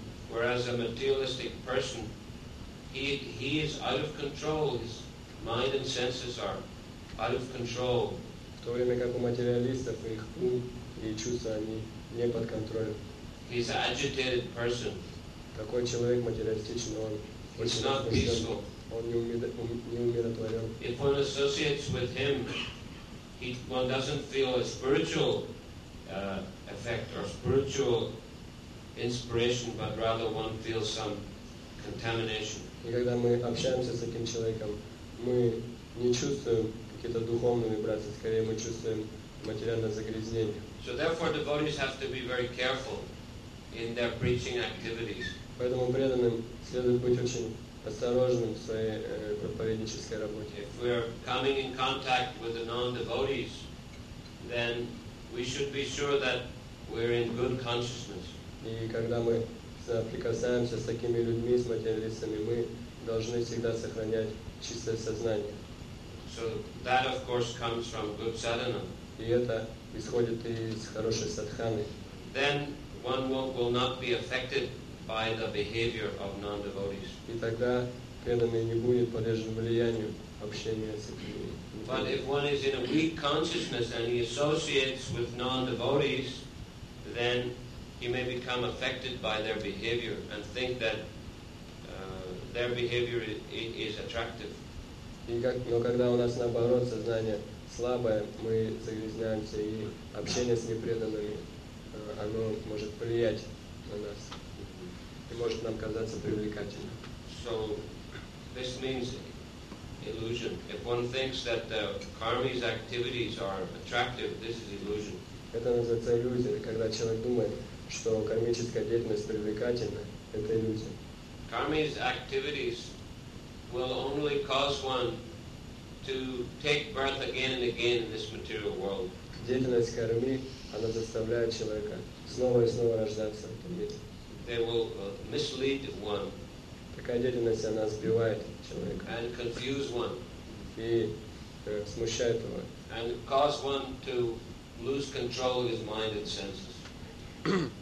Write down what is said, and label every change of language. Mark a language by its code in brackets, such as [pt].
[en] Whereas a materialistic person, he is out of control. His mind and senses are out of control. [ru] В то время как у материалистов их ум и чувства они не под контролем. [en] He's an agitated person. [ru] Такой человек материалистичный, он не умиротворен. [en] If one associates with him, one doesn't feel a spiritual effect or spiritual inspiration, but rather one feels some contamination. [ru] И когда мы общаемся с таким человеком, мы не чувствуем какие-то духовные вибрации, скорее мы чувствуем материальное загрязнение. [en] So therefore devotees have to be very careful in their preaching activities. [ru] Поэтому преданным следует быть очень осторожным в своей проповеднической работе. [en] If we are coming in contact with the non-devotees, then we should be sure that we're in good consciousness. [ru] И когда мы соприкасаемся с такими людьми, с материалистами, мы должны всегда сохранять чистое сознание. [en] So that, of course, comes from good sadhana. [ru] И это исходит из хорошей садханы. [en] Then one will not be affected by the behavior of non-devotees. [ru] И тогда преданный не будет подвержен влиянию общения с этими. [en] But if one is in a weak consciousness and he associates with non-devotees, then he may become affected by their behavior and think that their behavior is attractive. [ru] Но когда у нас наоборот сознание слабое, мы загрязняемся, и общение с непреданными, оно может влиять на нас и может нам казаться привлекательным. [en] So this means illusion. If one thinks that the karmi's activities are attractive, this is illusion. [ru] Это называется иллюзия, когда человек думает, что кармическая деятельность привлекательна, это иллюзия. [en] Karmi's activities will only cause one to take birth again and again in this material world. [ru] Деятельность карми, она заставляет человека снова и снова рождаться в этом мире. [en] They will mislead one. [ru] Такая деятельность, она сбивает человека. [en] And confuse one. [ru] И смущает его. [en] And cause one to lose control of his mind and senses.